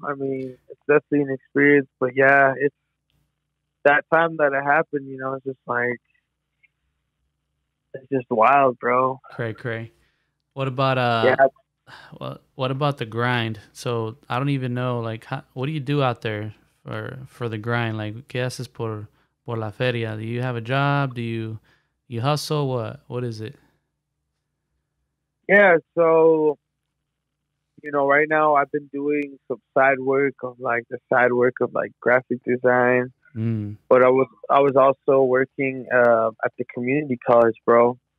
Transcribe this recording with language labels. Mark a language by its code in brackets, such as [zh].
[en] I mean, it's definitely an experience, but yeah, it's that time that it happened, you know, it's just like, it's just wild, bro. Cray, cray. What about, yeah. Well, what about the grind? So I don't even know, like, what do you do out there for the grind? [es] Like, ¿qué haces por la feria? [en] Do you have a job? Do you hustle? What is it? Yeah, so, you know, right now I've been doing some side work of, like, graphic design. Mm. But I was also working at the community college, bro.